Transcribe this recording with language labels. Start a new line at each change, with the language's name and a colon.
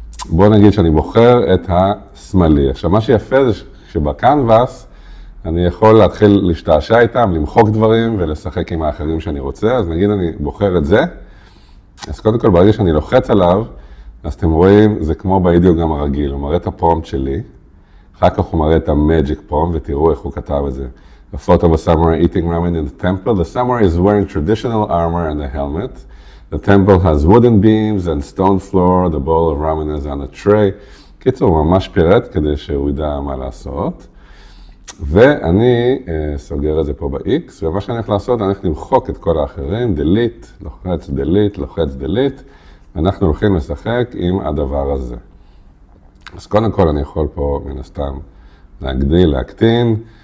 Hebrew: בוא נגיד שאני בוחר את השמאלי. עכשיו, מה שיפה זה שבקנבס אני יכול להתחיל להשתעשע איתם, למחוק דברים ולשחק עם האחרים שאני רוצה. אז נגיד אני בוחר את זה. אז קודם כל, ברגע שאני לוחץ עליו, אז אתם רואים, זה כמו באידאוגרם הרגיל. הוא מראה את הפרומט שלי, אחר כך הוא מראה את המג'יק פרומט, ותראו איך הוא כתב את זה.
English: A photo of a samurai eating ramen in the temple. The samurai is wearing traditional armor and a helmet. The temple has wooden beams and stone floor. The bowl of ramen is on a tray.
Hebrew: קיצור, ממש פירט כדי שהוא ידע מה לעשות. ואני סוגר את זה פה ב-X, ומה שאני הולך לעשות, אני הולך למחוק את כל האחרים, delete, לוחץ delete, לוחץ delete. אנחנו הולכים לשחק עם הדבר הזה. אז קודם כל אני יכול פה מן הסתם להגדיל, להקטין.